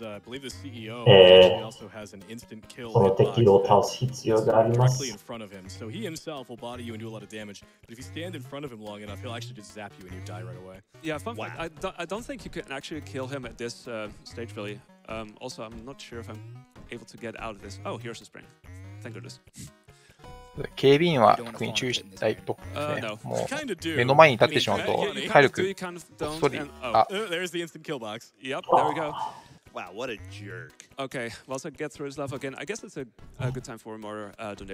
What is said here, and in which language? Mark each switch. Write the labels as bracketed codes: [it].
[en] I believe the CEO also has an instant kill directly in front of him. So he himself will body you and do a lot of damage. But if you stand in front of him long enough, he'll actually just zap you and you die right away. Yeah, fun fact, I don't think you can actually kill him at this stage, really. Also, I'm not sure if I'm able to get out of this. Oh, here's the spring. Thank goodness. [ja] 警備員は特に注意したいとこですね。もう目の前に立ってしまうと体力ソリあ。 [en] There's the instant kill box. Yep, there we go. Wow, what a jerk. Okay, well, so get through this level again. I guess it's a good time for more donations.